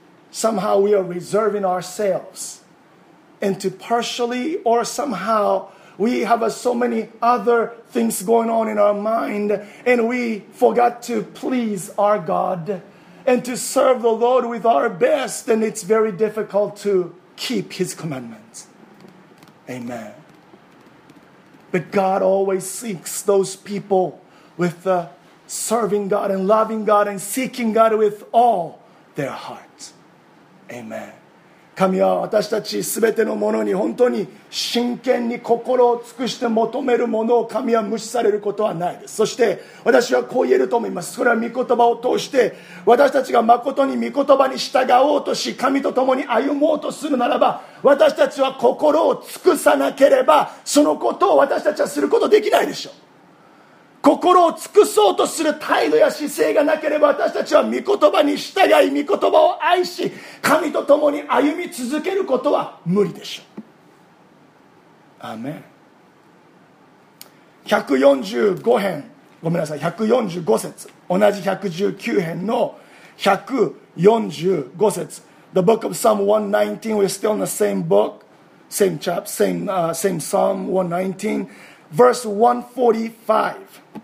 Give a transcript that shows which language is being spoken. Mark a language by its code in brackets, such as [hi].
[en] Somehow we are reserving ourselves into partially, or somehow we have so many other things going on in our mind and we forgot to please our God and to serve the Lord with our best, and it's very difficult to keep His commandments. Amen. But God always seeks those people with serving God and loving God and seeking God with all their heart. Amen. [ja] 神は私たちすべてのものに本当に真剣に心を尽くして求めるものを神は無視されることはないです。そして私はこう言えると思います。それは御言葉を通して私たちが誠に御言葉に従おうとし、神と共に歩もうとするならば、私たちは心を尽くさなければそのことを私たちはすることできないでしょう。心を尽くそうとする態度や姿勢がなければ、私たちは御言葉に従い、御言葉を愛し、神と共に歩み続けることは無理でしょう。アーメン。 145編、ごめんなさい、145節、同じ119編の145節。 [en] The book of Psalm 119, we're still in the same book, same chapter, same Psalm 119, verse 145.